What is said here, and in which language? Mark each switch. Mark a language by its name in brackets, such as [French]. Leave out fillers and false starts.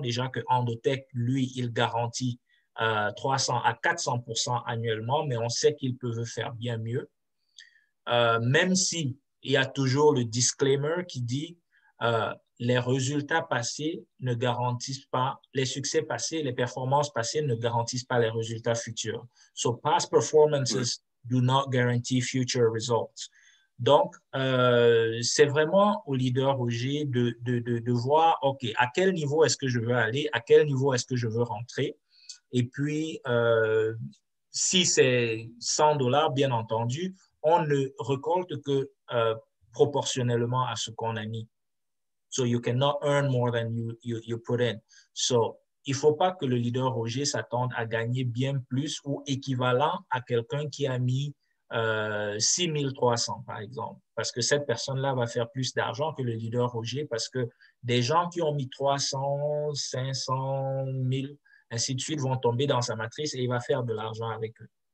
[French] Déjà que Endotech, lui, il garantit 300 à 400% annuellement, mais on sait qu'ils peuvent faire bien mieux. Même si il y a toujours le disclaimer qui dit les résultats passés ne garantissent pas les succès passés, les performances passées ne garantissent pas les résultats futurs. [English] So past performances do not guarantee future results. [French] Donc c'est vraiment au leader Roger de voir OK, à quel niveau est-ce que je veux aller, à quel niveau est-ce que je veux rentrer. Et puis, si c'est 100 dollars, bien entendu, on ne récolte que proportionnellement à ce qu'on a mis. [English] So you cannot earn more than you put in. [French] So il ne faut pas que le leader Roger s'attende à gagner bien plus ou équivalent à quelqu'un qui a mis 6300, par exemple. Parce que cette personne-là va faire plus d'argent que le leader Roger parce que des gens qui ont mis 300, 500, 1000, ainsi de suite, vont tomber dans sa matrice et il va faire de l'argent avec eux.